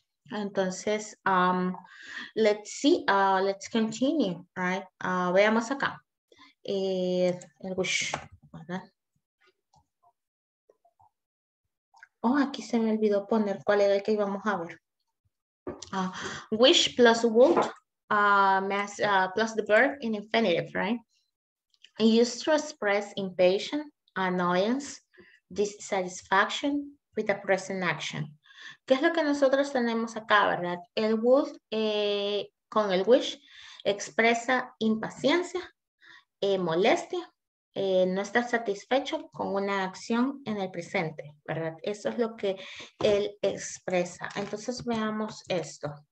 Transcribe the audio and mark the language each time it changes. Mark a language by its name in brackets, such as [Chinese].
[Spanish] Entonces, [English] let's continue, right? [Spanish] Veamos acá. El wish, ¿verdad? Oh, aquí se me olvidó poner cuál era el que íbamos a ver. [English] Wish plus would plus the verb in infinitive, right? Used to express impatience, annoyance, dissatisfaction with a present action. [Spanish] ¿Qué es lo que nosotros tenemos acá, verdad? El would con el wish expresa impaciencia, molestia, no está satisfecho con una acción en el presente, ¿verdad? Eso es lo que él expresa. Entonces veamos esto.